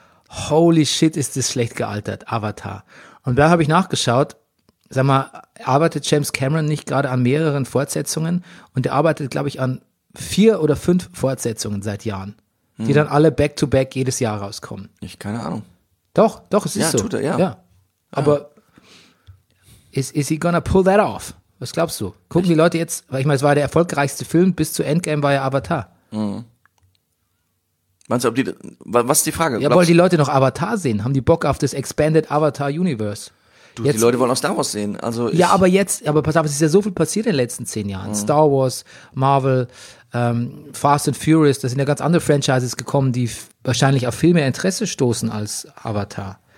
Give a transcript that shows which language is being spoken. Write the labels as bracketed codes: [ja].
[en] Holy shit, [de] ist es schlecht gealtert, Avatar. Und da habe ich nachgeschaut, sag mal, arbeitet James Cameron nicht gerade an mehreren Fortsetzungen? Und er arbeitet, glaube ich, an 4 oder 5 Fortsetzungen seit Jahren, die dann alle back-to-back jedes Jahr rauskommen. Ich keine Ahnung. Doch, es ist ja, so. Tut er, ja. Aber [en] is he gonna pull that off? [de] Was glaubst du? Gucken die Leute jetzt, weil ich meine, es war der erfolgreichste Film, bis zu Endgame war ja Avatar. Meinst du, ob die, was ist die Frage? Ja, wollen die Leute noch Avatar sehen? Haben die Bock auf das Expanded Avatar Universe? Du, jetzt, die Leute wollen auch Star Wars sehen. Also ja, aber jetzt, aber pass auf, es ist ja so viel passiert in den letzten 10 Jahren. Mhm. Star Wars, Marvel, Fast and Furious, da sind ja ganz andere Franchises gekommen, die wahrscheinlich auf viel mehr Interesse stoßen als Avatar.